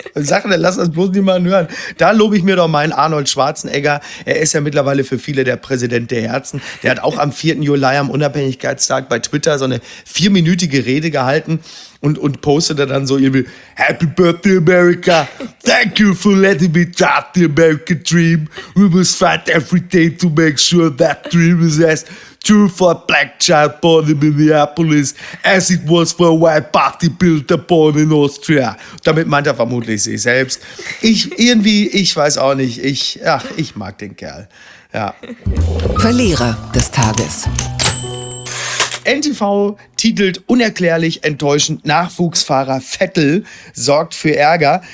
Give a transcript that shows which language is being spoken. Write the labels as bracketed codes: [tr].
[de] Sache, lass das bloß niemanden hören. Da lobe ich mir doch meinen Arnold Schwarzenegger. Er ist ja mittlerweile für viele der Präsident der Herzen. Der hat auch am 4. Juli am Unabhängigkeitstag bei Twitter so eine 4-minütige Rede gehalten und postete dann so irgendwie [en] Happy Birthday America, thank you for letting me start the American dream. We must fight every day to make sure that dream is as true for a black child born in Minneapolis, as it was for a white party builder born in Austria. [de] Damit meint er vermutlich sich selbst. Ich weiß auch nicht. Ich mag den Kerl. Ja. Verlierer des Tages. NTV titelt unerklärlich enttäuschend: Nachwuchsfahrer Vettel sorgt für Ärger.